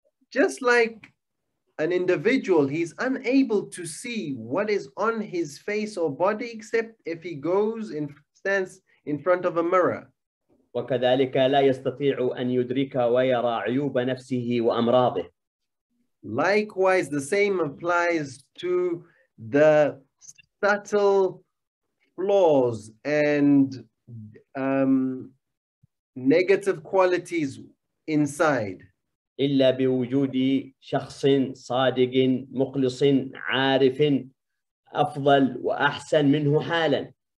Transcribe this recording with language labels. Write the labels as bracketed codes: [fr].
[en] Just like an individual, he's unable to see what is on his face or body except if he goes and stands in front of a mirror. [ar] وكذلك لا يستطيع أن يدرك ويرى عيوب نفسه وأمراضه. [en] Likewise, the same applies to the subtle flaws and negative qualities inside. [ar] إلا بوجود شخص صادق مخلص عارف أفضل وأحسن منه حالا.